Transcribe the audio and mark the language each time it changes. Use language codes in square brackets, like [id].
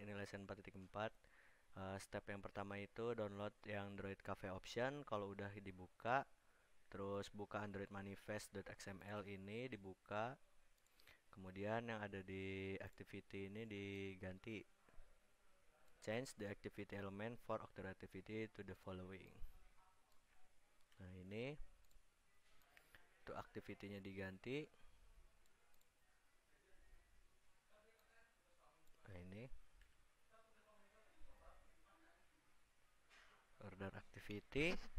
[id] Ini lesson 4.4. Step yang pertama itu download yang Android Cafe option. Kalau udah dibuka, terus buka Android Manifest.xml ini dibuka. Kemudian yang ada di activity ini diganti. [en] Change the activity element for Octave activity to the following. [id] Nah, ini untuk activity-nya diganti. Nah, ini activity.